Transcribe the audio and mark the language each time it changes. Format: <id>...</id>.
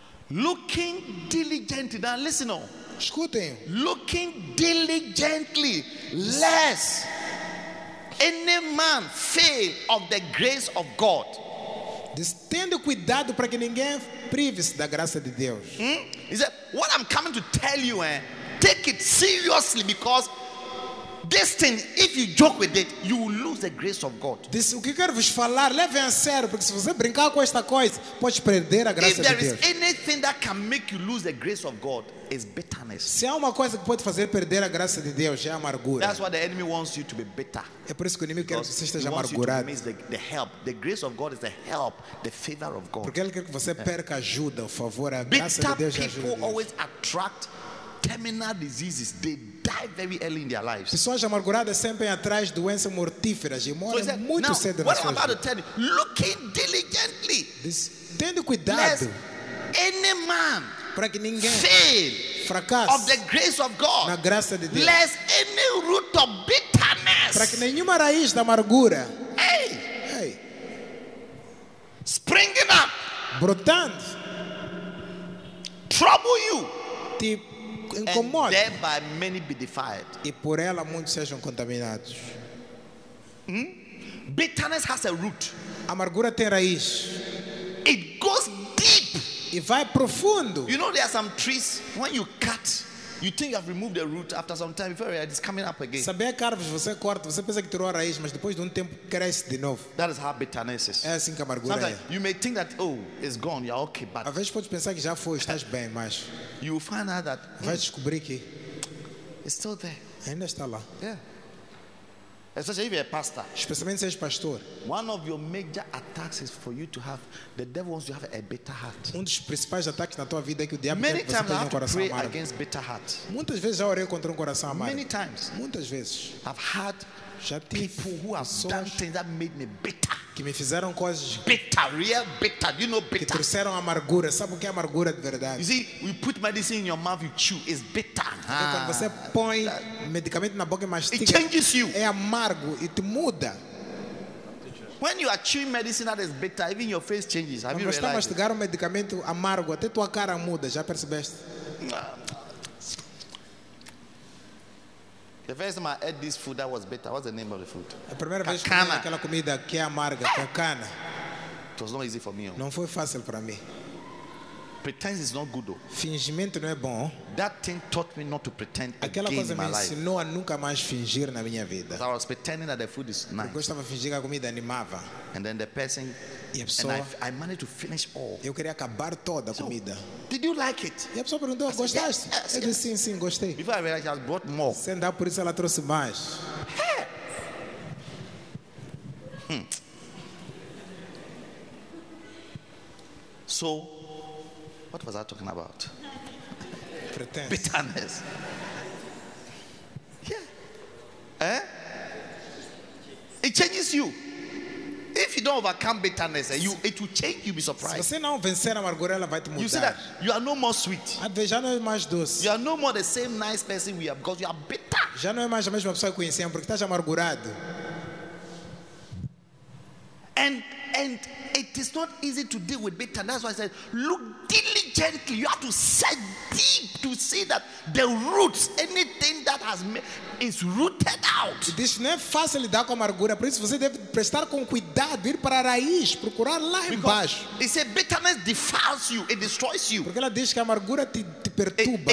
<en>Looking diligently. Now listen on.</en> <pt>Escutem.</pt> <en>Looking diligently, lest any man fail of the grace of God.</en> <pt>Tendo cuidado para que ninguém prive-se da graça de Deus.</pt> <en>He said, what I'm coming to tell you, take it seriously, because this thing, if you joke with it, you will lose the grace of God.</en> <pt>Diz, o que quero vos falar, leve a sério, porque se você brincar com esta coisa, pode perder a graça de Deus.</pt> <en>If there is anything that can make you lose the grace of God, is bitterness.</en> <pt>Se há uma coisa que pode fazer perder a graça de Deus, é amargura.</pt> <en>That's why the enemy wants you to be bitter.</en> <pt>É por isso que o inimigo quer que você esteja amargurado.</pt> <en>Because he wants you to miss the help. The grace of God is the help, the favor of God.</en> <pt>Porque ele quer que você perca ajuda, o favor, a graça de Deus.</pt> <en>Bitter people always attract terminal diseases. They die very early in their lives.</en> <pt>Pessoas amarguradas sempre atrás de doenças mortíferas e morrem muito</pt> <en>now,</en> <pt>cedo.</pt> <en>What I'm about to tell you, looking diligently.</en> <pt>Tendo cuidado.</pt> <en>Any man</en> <pt>para que ninguém</pt> <en>fail</en> <pt>fracasse</pt> <en>of the grace of God,</en> <pt>na graça de Deus.</pt> <en>Lest any root of bitterness.</en> <pt>Para que nenhuma raiz da amargura. Hey. Hey.</pt> <en>Springing up.</en> <pt>Brotando.</pt> <en>Trouble you.</en> <pt>Te incomoda.</pt> <en>And thereby many be defiled.</en> <pt>E por ela muitos sejam contaminados.</pt> <en>Bitterness has a root.</en> <pt>Amargura tem raiz.</pt> <en>It goes deep.</en> <pt>E vai profundo.</pt> <en>You know there are some trees when you cut, you think you have removed the root. After some time, before it is coming up again.</en> <pt>Sabe a árvore, você corta, você pensa que tirou a raiz, mas depois de tempo cresce de novo.</pt> <en>That is how bitterness is.</en> <pt>É assim que a amargura</pt> <en>sometimes</en> <pt>é.</pt> <en>You may think that oh, it's gone, you're okay, but.</en> <pt>Às vezes pode pensar que já foi, estás bem, mas.</pt> <en>You will find out that.</en> <pt>Vai descobrir que.</pt> <en>It's still there.</en> <pt>Ainda está lá.</pt> <en>Yeah. Especially if you're a pastor.</en> <pt>Especialmente se és pastor.</pt> <en>One of your major attacks is for you to have the devil wants you to have a bitter heart.</en> <pt>Um dos principais ataques na tua vida é que o diabo</pt> <en>many</en> <pt>quer que você tenha um coração amargo.</pt> <en>Many times against bitter heart.</en> <pt>Muitas vezes já orei contra um coração amargo.</pt> <en>Many times.</en> <pt>Muitas vezes.</pt> <en>I've had people who have done things that made me bitter.</en> <pt>Que me fizeram coisas</pt> <en>bitter, real bitter. You know bitter.</en> <pt>Que trouxeram amargura. Sabe o que é amargura de verdade?</pt> <en>You see, we put medicine in your mouth, you chew. It's bitter.</en> <pt>Quando você põe medicamento na boca e mastiga,</pt> <en>it changes you.</en> <pt>É amargo e te muda.</pt> <en>When you are chewing medicine that is bitter, even your face changes. Have you realized?</en> <pt>Quando você está mastigando medicamento amargo, até tua cara muda. Já percebeste?</pt> <en>The first time I ate this food that was bitter, what's the name of the food?</en> <pt>A primeira vez que comi aquela comida que é amarga, cacana.</pt> <en>It was not easy for me.</en> <pt>Não foi fácil para mim.</pt> <en>Pretense is not good though.</en> <pt>Fingimento não é bom.</pt> <en>That thing taught me not to pretend again.</en> <pt>Aquela coisa me ensinou a nunca mais fingir na minha vida.</pt> <en>So I was pretending that the food is nice.</en> <pt>Eu gostava de fingir que a comida animava.</pt> <en>And then the person,</en> <pt>e a pessoa,</pt> <en>and I managed to finish all.</en> <pt>Eu queria acabar toda a comida.</pt> <en>So, did you like it?</en> <pt>E a pessoa perguntou,</pt> <en>said,</en> <pt>gostaste?</pt> <en>Yes,</en> <pt>eu disse sim, gostei.</pt> <en>Before I realized, I brought more.</en> <pt>Sem dar por isso ela trouxe mais.</pt> <en>So. What was I talking about? Pretense. Bitterness. Yeah. Eh? It changes you. If you don't overcome bitterness, it will change you. Be surprised.</en> <pt>Se você não vencer a amargura, ela vai te mudar.</pt> <en>You see that? You are no more sweet.</en> <pt>Já não é mais doce.</pt> <en>You are no more the same nice person we are because you are bitter.</en> <pt>Já não é mais a mesma pessoa que conhecemos porque estás amargurado.</pt> <en>And it is not easy to deal with bitter. That's why I said, look diligently. You have to search deep to see that the roots, anything that has made, is rooted out.</en> <pt>Isso não é fácil lidar com amargura. Por isso você deve prestar com cuidado, ir para a raiz, procurar lá embaixo.</pt> <en>It says bitterness defiles you, it destroys you.</en> <pt>Porque ela diz que a amargura te perturba.</pt>